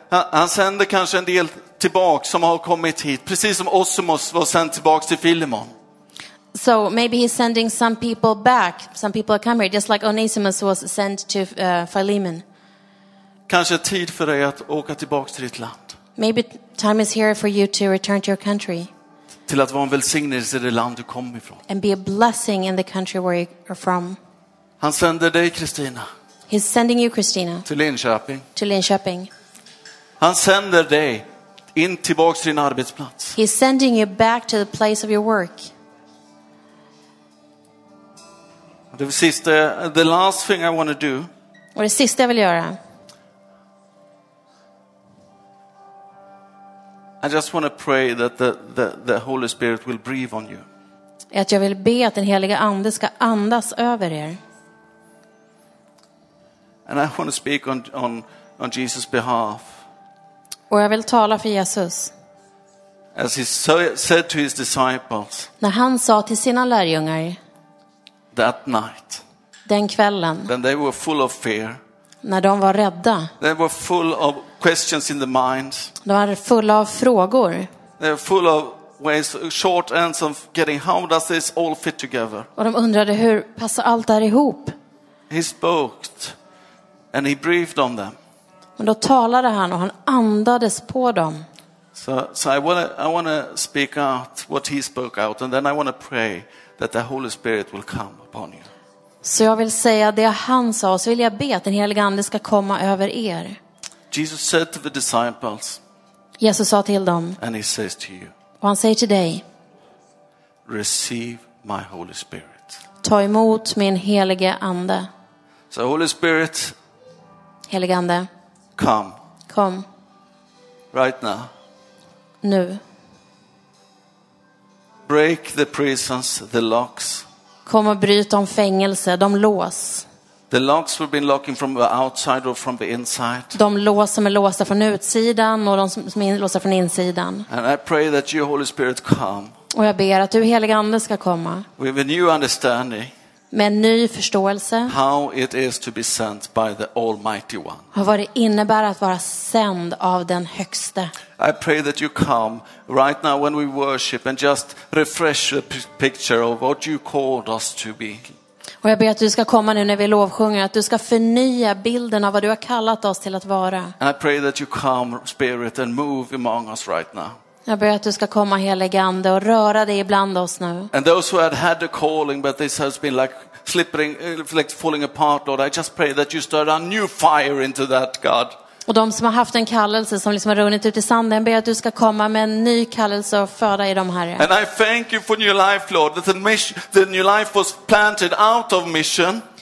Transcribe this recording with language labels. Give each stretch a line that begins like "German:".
Swedish: Han sänder kanske en del tillbaka som har kommit hit, precis som Osmos var sänd tillbaka till Filemon.
English: So maybe he's sending some people back. Some people are coming, just like Onesimus was sent to Philemon.
Swedish: Kanske tid för dig att åka tillbaka till ditt land.
English: Maybe time is here for you to return to your country.
Swedish: Till att vara en välsignelse i det land du kommer ifrån.
English: And be a blessing in the country where you are from.
Swedish: Han sänder dig, Kristina.
English: He's sending you, Christina.
Swedish: Till Linköping.
English: To Linköping.
Swedish: Han sänder dig in tillbaka till din arbetsplats.
English: He's sending you back to the place of your work. The last thing I want to do.
Swedish: Och det sista jag vill göra.
English: I just want to pray that the Holy Spirit will breathe on you.
Swedish: Att jag vill be att den heliga ande ska andas över er.
English: And I want to speak on Jesus' behalf.
Swedish: Och jag vill tala för Jesus.
English: As he said to his disciples.
Swedish: När han sa till sina lärjungar.
English: That night.
Swedish: Den kvällen.
English: When they were full of fear.
Swedish: När de var rädda.
English: They were full of questions in the mind.
Swedish: De var fulla av frågor.
English: They were full of ways, short ends of getting how does this all fit together.
Swedish: Och de undrade hur passar allt där ihop.
English: He spoke and he breathed on them.
Swedish: Men då talade han och han andades på dem.
English: So I want to speak out what he spoke out, and then I want to pray that the Holy Spirit will come upon you.
Swedish: Så jag vill säga det han sa, så vill jag be att den helige ande ska komma över er.
English: Jesus said to the disciples.
Swedish: Jesus sa till dem.
English: And he says to you.
Swedish: Och han säger till dig.
English: Receive my Holy Spirit.
Swedish: Ta emot min helige ande.
English: So Holy Spirit.
Swedish: Helige ande.
English: Come.
Swedish: Kom.
English: Right now.
Swedish: Nu.
English: Break the prisons, the locks.
Swedish: Kom och bryt om fängelse, de lås.
English: The locks we've been locking from the outside or from the inside.
Swedish: De lås som är låsta från utsidan och de som är låsta från insidan.
English: And I pray that your Holy Spirit come.
Swedish: Och jag ber att du helige ande ska komma.
English: With a new understanding.
Swedish: Med en ny förståelse.
English: How it is to be sent by the Almighty One.
Swedish: Och vad det innebär att vara sänd av den högste.
English: I pray that you come right now when we worship and just refresh the picture of what you called us to be.
Swedish: Och jag ber att du ska komma nu när vi lovsjunger, att du ska förnya bilden av vad du har kallat oss till att vara.
English: And I pray that you come, Spirit, and move among us right now.
Swedish: Jag ber att du ska komma helige ande och röra dig ibland oss nu.
English: And those who had a calling but this has been like slipping, like falling apart, Lord, I just pray that you start a new fire into that, God.
Swedish: Och de som har haft en kallelse som liksom har runnit ut i sanden, ber att du ska komma med en ny kallelse och föra i dem, Herre.
English: And I thank you for new life, Lord, that the new life was planted out of mission.